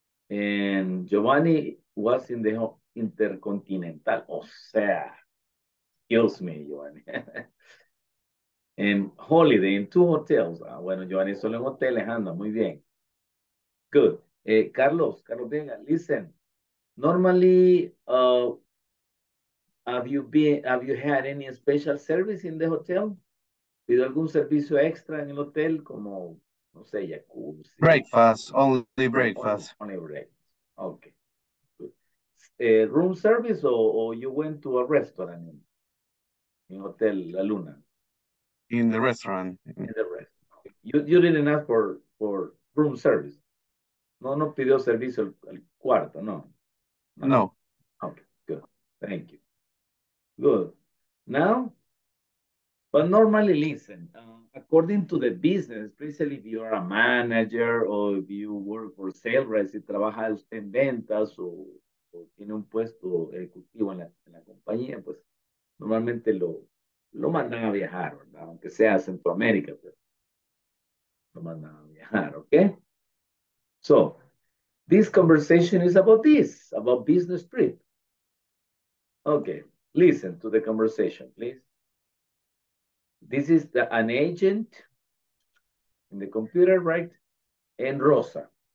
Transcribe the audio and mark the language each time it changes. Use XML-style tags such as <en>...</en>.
<en>And Giovanni was in the Intercontinental,</en> <es>o sea,</es> <en>kills me, Giovanni. And Holiday in two hotels.</en> <es>Ah, bueno, Giovanni solo en hoteles anda, muy bien.</es> <en>Good. Carlos Vega, listen. Normally, have you had any special service in the hotel?</en> <es>¿Pido algún servicio extra en el hotel? Como, no sé, jacuzzi.</es> <en>Breakfast, only breakfast. Only breakfast, okay. Room service or you went to a restaurant in Hotel La Luna? In the restaurant. In the restaurant. You didn't ask for room service.</en> <es>No pidió servicio al cuarto, no. No.</es> <en>Okay, good. Thank you. Good. Now, but normally listen, according to the business, especially if you are a manager or if you work for sales,</en> <es>si trabajas en ventas o tiene un puesto ejecutivo en la compañía, pues normalmente lo mandan a viajar, ¿verdad? Aunque sea a Centroamérica, pero lo mandan a viajar, ¿ok?</es> <en>So, this conversation is about this, about business trip. Okay, listen to the conversation, please. This is an agent in the computer, right? And Rosa.</en>